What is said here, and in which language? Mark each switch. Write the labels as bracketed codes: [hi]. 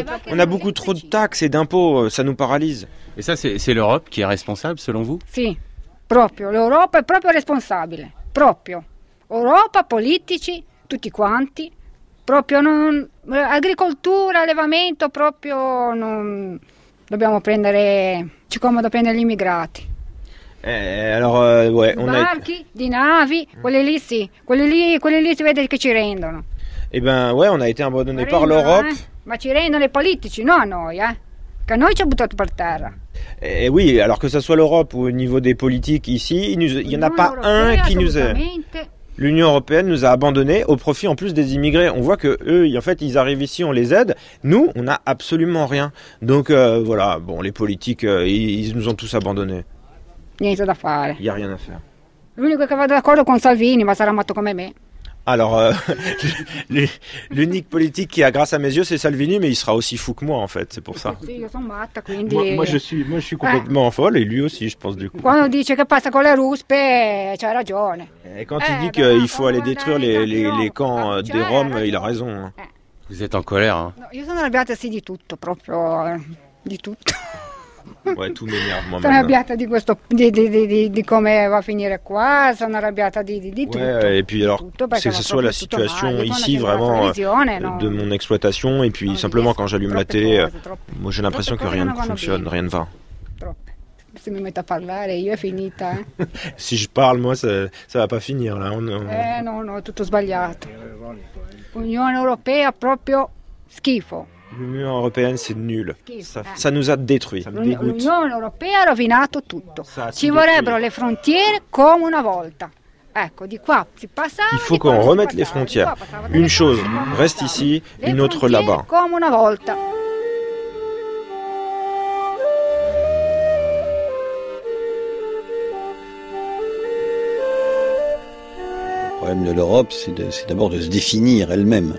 [fr] On a beaucoup trop de taxes et d'impôts, ça nous paralyse. Et ça, c'est l'Europe qui est responsable, selon vous? [it] Si, proprio. [fr] L'Europe est [it] proprio responsable. Proprio. Europa, politici, tutti quanti. Proprio non. Agricoltura, allevamento, proprio non. Dobbiamo prendere. Ci comodo prendere gli immigrati. [fr] Alors, ouais, on a. [it] Di barchi, di navi, quelli lì sì. Quelli lì si vede che ci rendono. [fr] Eh ben, ouais, on a été abandonné par l'Europe. [it] Ma ci rendono i politici, non a noi, che noi ci ha buttato per terra. [fr] Et oui, alors que ce soit l'Europe ou au niveau des politiques ici, l'Union européenne nous a abandonnés au profit en plus des immigrés. On voit que eux, en fait, ils arrivent ici, on les aide. Nous, on n'a absolument rien. Donc voilà, bon, les politiques, ils nous ont tous abandonnés. [it] Niente da fare. [fr] Il n'y a rien à faire. [it] L'unico che va d'accordo con Salvini, ma sarà matto come me. [fr] Alors, l'unique politique qui a grâce à mes yeux, c'est Salvini, mais il sera aussi fou que moi, en fait, c'est pour ça. Moi, je suis complètement folle, et lui aussi, je pense, du coup. Quand on dit que [it] passe con le ruspe, c'ha ragione. [fr] Et quand il dit qu'il faut aller détruire les camps des Roms, il a raison. Hein. Vous êtes en colère, hein? [it] Io sono arrabbiata sì di tutto, proprio di tutto. [fr] Ouais, tout m'énerve moi-même. [it] Sono arrabbiata di questo, di come va a finire qua, sono arrabbiata di tutto. [fr] Ouais, et puis alors, c'est que ce soit la situation ici, vraiment, de mon exploitation, et puis simplement quand j'allume la télé, moi j'ai l'impression que rien ne fonctionne, rien ne va. [it] Troppe. Se mi metto a parlare, io è finita. [fr] Si je parle, moi, ça va pas finir, là. [it] Non, tutto sbagliato. Unione Europea, proprio schifo. [fr] L'Union Européenne, c'est nul. Ça nous a détruits. [it] L'Union Européenne a rovinato tutto. Ci vorrebbero le frontiere comme una volta. Ecco, di qua si passa. [fr] Il faut qu'on remette les frontières. Une chose reste ici, une autre là-bas. [it] Comme una volta. [fr] Le problème de l'Europe, c'est d'abord de se définir elle-même.